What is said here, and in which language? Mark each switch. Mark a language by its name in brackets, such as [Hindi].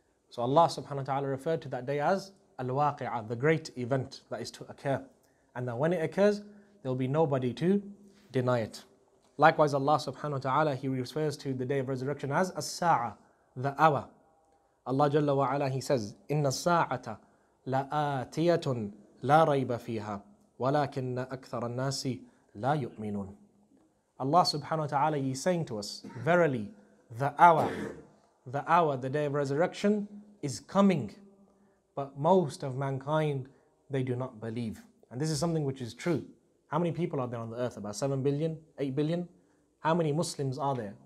[English] So Allah subhanahu wa ta'ala referred to that day as al-waqi'ah, the great event that is to occur. And that when it occurs, there will be nobody to deny it. Likewise, Allah subhanahu wa ta'ala, He refers to the day of resurrection as as-sa'ah, the hour. Allah jalla wa ala, He says, [Arabic] إِنَّ السَّاعَةَ لَآتِيَةٌ لَا رَيْبَ فِيهَا وَلَكِنَّ أَكْثَرَ النَّاسِ لَا يُؤْمِنُونَ. [English] Allah subhanahu wa ta'ala, He's saying to us, verily, the hour, the day of resurrection is coming. But most of mankind, they do not believe. And this is something which is true. How many people are there on the earth? About 7 billion, 8 billion? How many Muslims are there?